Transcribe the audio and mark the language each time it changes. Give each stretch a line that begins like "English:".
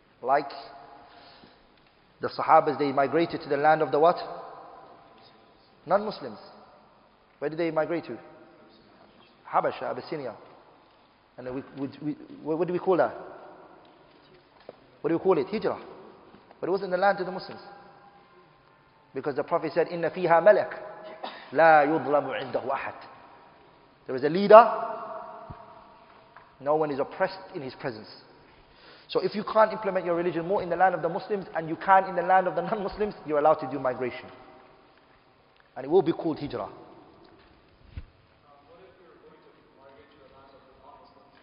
English: like the Sahabas, they migrated to the land of the what? Non-Muslims. Where did they migrate to? Habasha, Abyssinia. And what do we call that? What do we call it? Hijrah. But it wasn't the land of the Muslims. Because the Prophet said,
Arabic: إِنَّ فِيهَا مَلَكْ لَا يُظْلَمُ عِنْدَهُ أَحَدْ.
English: There is a leader, no one is oppressed in his presence. So if you can't implement your religion more in the land of the Muslims and you can in the land of the non-Muslims, you're allowed to do migration. And it will be called hijrah. What if you're going to migrate to the land of the non-Muslims,